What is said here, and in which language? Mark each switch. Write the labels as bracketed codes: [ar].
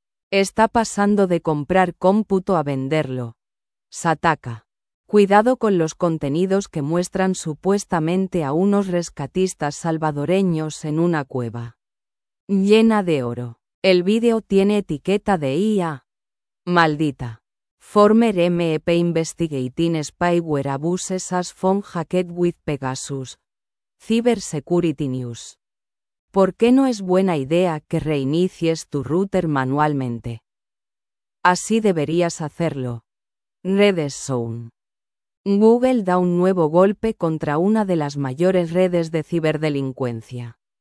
[es] Está pasando de comprar cómputo a venderlo. Sataka. Cuidado con los contenidos que muestran supuestamente a unos rescatistas salvadoreños en una cueva llena de oro. El vídeo tiene etiqueta de IA. Maldita. [en] Former MEP investigating spyware abuses as phone hacked with Pegasus. Cybersecurity News. [es] ¿Por qué no es buena idea que reinicies tu router manualmente? Así deberías hacerlo. Redes Zone. Google da un nuevo golpe contra una de las mayores redes de ciberdelincuencia.